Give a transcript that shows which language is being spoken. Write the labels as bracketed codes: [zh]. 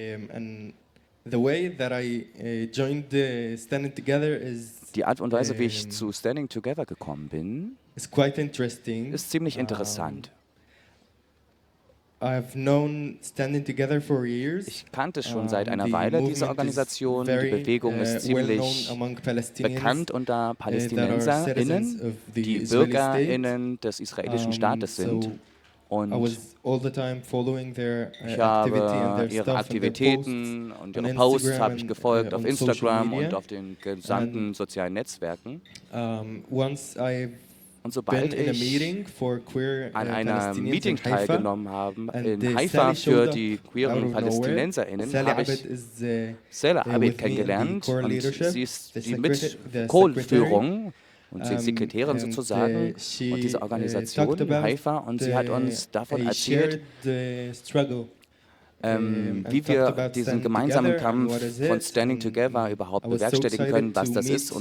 [en] And the way that I joined Standing Together is [de] die Art und Weise, wie ich zu Standing Together gekommen bin, [en] is quite interesting. [de] Ist ziemlich interessant. [en] I've known Standing Together for years. [de] Ich kannte schon seit einer Weile diese Organisation. Die Bewegung ist ziemlich bekannt unter PalästinenserInnen, die BürgerInnen des israelischen Staates sind. Und [en] I was all the time following their [de] ich habe ihre Aktivitäten und ihre Posts habe ich gefolgt auf Instagram und auf den gesamten sozialen Netzwerken. [en] Once I [de] Und sobald ich an einem Meeting teilgenommen habe in Haifa für die queeren PalästinenserInnen, habe ich Sally Abed kennengelernt und sie ist die Mitkohlführung und sie ist Sekretärin sozusagen und diese Organisation in Haifa und sie hat uns davon erzählt, wie wir diesen gemeinsamen Kampf von Standing Together überhaupt bewerkstelligen können, was das ist.